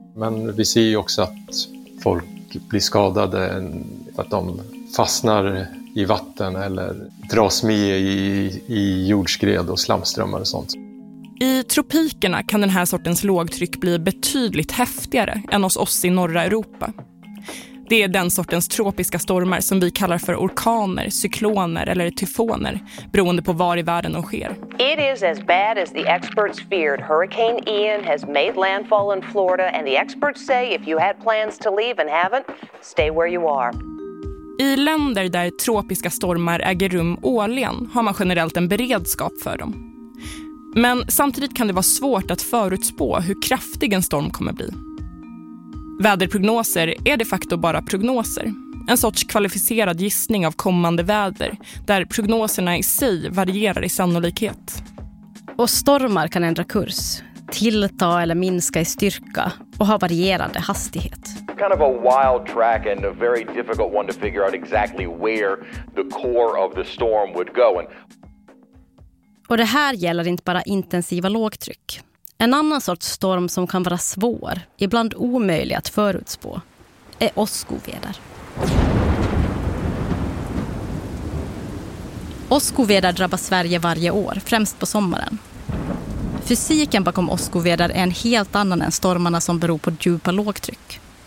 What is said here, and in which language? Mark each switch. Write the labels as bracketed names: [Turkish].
[Swedish] Men vi ser ju också att folk blir skadade för att de fastnar i vatten eller dras med i jordskred och slamströmmar och sånt. I tropikerna kan den här sortens lågtryck bli betydligt häftigare än hos oss i norra Europa. Det är den sortens tropiska stormar som vi kallar för orkaner, cykloner eller tyfoner, beroende på var i världen de sker. [English] It is as bad as the experts feared. Hurricane Ian has made landfall in Florida and the experts say if you had plans to leave and haven't, stay where you are. [Swedish] I länder där tropiska stormar äger rum årligen har man generellt en beredskap för dem. Men samtidigt kan det vara svårt att förutspå hur kraftig en storm kommer bli. Väderprognoser är de facto bara prognoser. En sorts kvalificerad gissning av kommande väder där prognoserna i sig varierar i sannolikhet. Och stormar kan ändra kurs, tillta eller minska i styrka och ha varierande hastighet. [English] Kind of a wild track and a very difficult one to figure out exactly where the core of the storm would go. [Swedish] Och det här gäller inte bara intensiva lågtryck. En annan sorts storm som kan vara svår, ibland omöjlig att förutspå, är åskoväder. Åskoväder drabbar Sverige varje år, främst på sommaren. Fysiken bakom åskovedar är en helt annan än stormarna som beror på djupa lågtryck.